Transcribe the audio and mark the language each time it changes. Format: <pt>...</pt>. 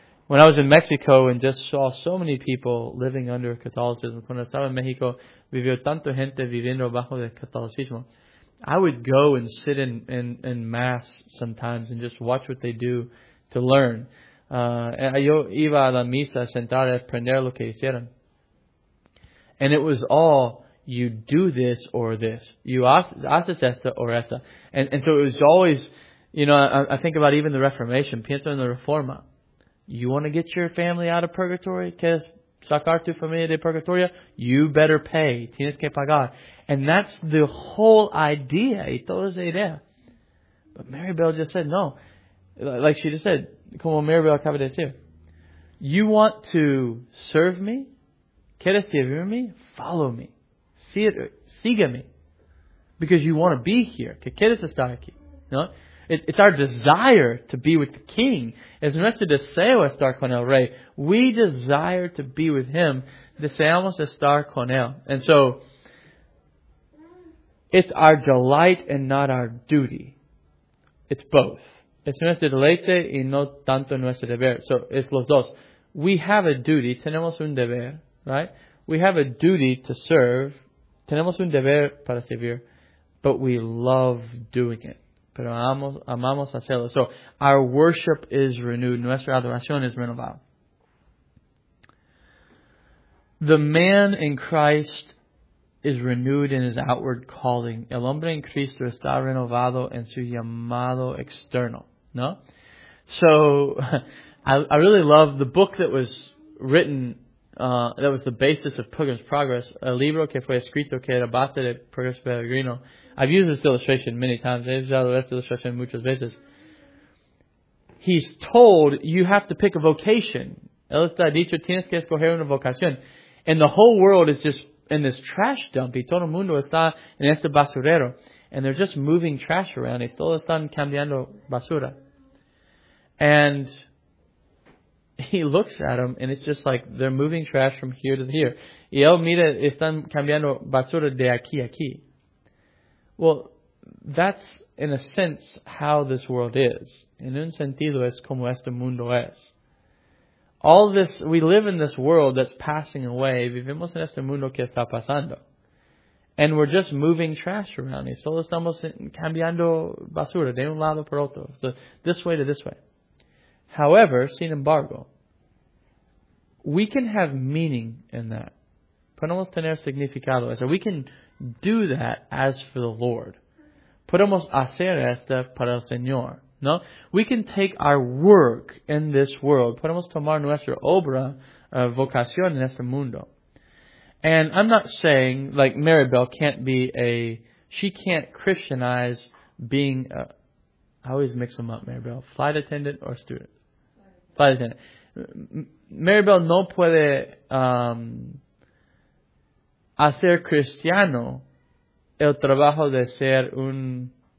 <en>When I was in Mexico and just saw so many people living under Catholicism,</en> <es>cuando estaba en México, vivió tanto gente viviendo bajo el catolicismo,</es> <en>I would go and sit in mass sometimes and just watch what they do to learn.</en> <es>Yo iba a la misa sentada a aprender lo que hicieron.</es> <en>And it was all, you do this or this. You</en> <es>haces esta o esta.</es> <en>And so it was always, you know, I think about even the Reformation.</en> <es>Pienso en la Reforma.</es> <en>You want to get your family out of purgatory?</en> <es>¿Quieres sacar tu familia de purgatoria?</es> <en>You better pay.</en> <es>Tienes que pagar.</es> <en>And that's the whole idea.</en> <es>Y toda esa idea.</es> <en>But Maribel just said, no. Like she just said,</en> <es>como Maribel acaba de decir.</es> <en>You want to serve me?</en> <es>¿Quieres servirme?</es> <en>Follow me.</en> <es>Sígueme.</es> <en>Because you want to be here.</en> <es>¿Qué quieres estar aquí? No.</es> <en>It's our desire to be with the King.</en> <es>Es nuestro deseo estar con el Rey.</es> <en>We desire to be with Him.</en> <es>Deseamos estar con Él.</es> <en>And so, it's our delight and not our duty. It's both. Es nuestro deleite y no tanto nuestro deber.</en> <es>So, es los dos.</es> <en>We have a duty.</en> <es>Tenemos un deber. Right?</es> <en>We have a duty to serve.</en> <es>Tenemos un deber para servir.</es> <en>But we love doing it.</en> <es>Pero amamos hacerlo.</es> <en>So, our worship is renewed.</en> <es>Nuestra adoración es renovada.</es> <en>The man in Christ is renewed in his outward calling.</en> <es>El hombre en Cristo está renovado en su llamado externo. ¿No?</es> <en>So, I really love the book that was written, that was the basis of Pilgrim's Progress.</en> <es>El libro que fue escrito que era base de Progreso Peregrino.</es> <en>I've used this illustration many times. I've used this illustration</en> <es>muchas veces.</es> <en>He's told, you have to pick a vocation.</en> <es>Él está dicho, tienes que escoger una vocación.</es> <en>And the whole world is just in this trash dump.</en> <es>Y todo el mundo está en este basurero.</es> <en>And they're just moving trash around.</en> <es>Y todos están cambiando basura.</es> <en>And he looks at them, and it's just like they're moving trash from here to here.</en> <es>Y él mira, están cambiando basura de aquí a aquí.</es> <en>Well, that's, in a sense, how this world is.</en> <es>En un sentido, es como este mundo es.</es> <en>All this, we live in this world that's passing away.</en> <es>Vivimos en este mundo que está pasando.</es> <en>And we're just moving trash around.</en> <es>Y solo estamos cambiando basura de un lado por otro.</es> <en>So this way to this way. However,</en> <es>sin embargo,</es> <en>we can have meaning in that.</en> <es>Podemos tener significado.</es> <en>So we can do that as for the Lord.</en> <es>Podemos hacer esto para el Señor.</es> <en>No? We can take our work in this world.</en> <es>Podemos tomar nuestra obra, vocación en este mundo.</es> <en>And I'm not saying, like, Maribel can't be a, she can't Christianize being a, I always mix them up, Maribel, flight attendant or student? Flight attendant.</en> <es>Maribel no puede, a ser cristiano, el trabajo de ser un</es>